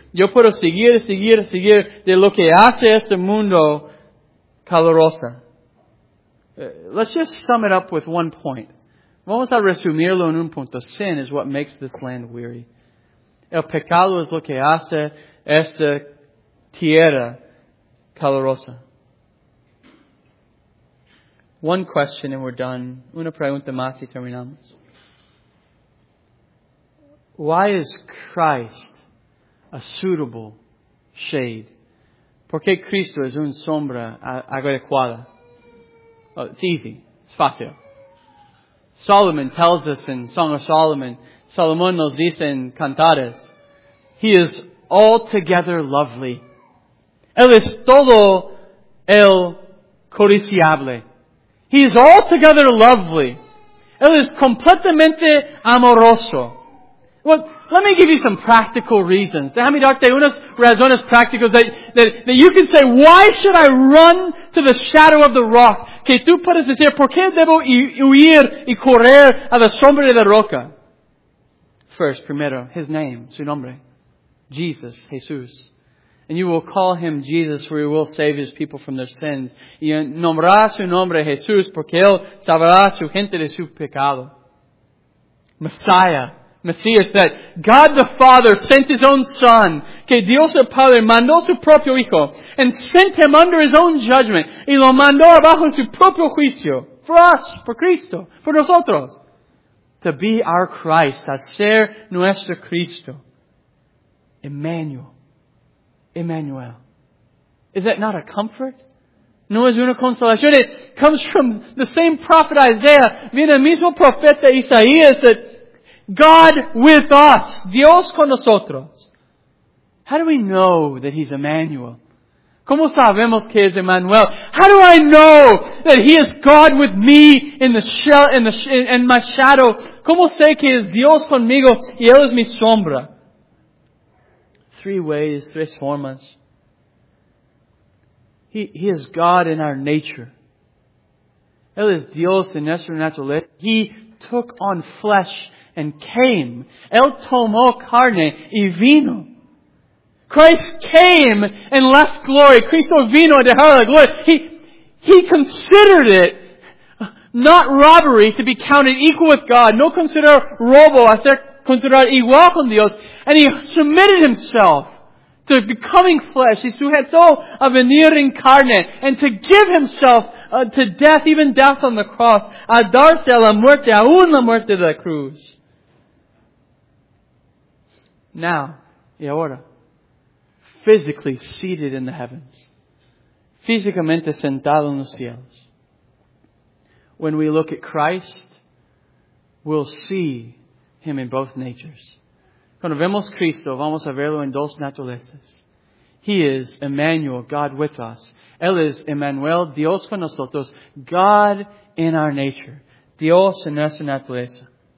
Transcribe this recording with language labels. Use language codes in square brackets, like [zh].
[es] Yo puedo seguir de lo que hace este mundo caloroso. [en] Let's just sum it up with one point. [es] Vamos a resumirlo en un punto. [en] Sin is what makes this land weary. [es] El pecado es lo que hace esta tierra calurosa. [en] One question and we're done. [es] Una pregunta más y terminamos. [en] Why is Christ a suitable shade? [es] ¿Por qué Cristo es una sombra adecuada? [en] Oh, it's easy. It's fácil. Solomon tells us in Song of Solomon, [es] Salomón nos dice en Cantares, [en] He is altogether lovely. [es] Él es todo el codiciable. [en] He is altogether lovely. [es] Él es completamente amoroso. [en] Well, let me give you some practical reasons. [es] Déjame darte unas razones prácticas [en] that you can say, why should I run to the shadow of the rock? [es] Que tú puedes decir, ¿por qué debo huir y correr a la sombra de la roca? [en] First, [es] primero, [en] His name, [es] su nombre. [en] Jesus, Jesús. And you will call Him Jesus, for He will save His people from their sins. [es] Y nombrará su nombre Jesús, porque Él salvará su gente de su pecado. [en] Messiah. Messias, that God the Father sent His own Son, [es] que Dios el Padre mandó su propio Hijo, [en] and sent Him under His own judgment, [es] y lo mandó abajo en su propio juicio, [en] for us, for Cristo, for [es] nosotros, [en] to be our Christ, [es] a ser nuestro Cristo. [en] Emmanuel. Is that not a comfort? [es] No es una consolación. [en] It comes from the same prophet Isaiah, [es] viene el mismo profeta Isaías, [en] that God with us. [es] Dios con nosotros. [en] How do we know that He's Emmanuel? [es] ¿Cómo sabemos que es Emmanuel? [en] How do I know that He is God with me in my shadow? [es] ¿Cómo sé que es Dios conmigo y Él es mi sombra? [en] Three ways, [es] tres formas. [en] He is God in our nature. [es] Él es Dios en nuestra naturaleza. [en] He took on flesh and came. [es] Él tomó carne y vino. [en] Christ came and left glory. [es] Cristo vino a dejar la gloria. [en] He considered it not robbery to be counted equal with God. [es] No consider robo a ser considerado igual con Dios. [en] And He submitted Himself to becoming flesh, [es] y sujeto a venir en carne, [en] and to give himself to death, even death on the cross, [es] a darse a la muerte, aún la muerte de la cruz. [en] Now, [es] y ahora, [en] physically seated in the heavens, [es] físicamente sentado en los cielos. [en] When we look at Christ, we'll see him in both natures. [es] Cuando vemos Cristo, vamos a verlo en dos naturalezas. [en] He is Emmanuel, God with us. [es] Él es Emmanuel, Dios con nosotros, [en] God in our nature. [es] Dios en nuestra naturaleza.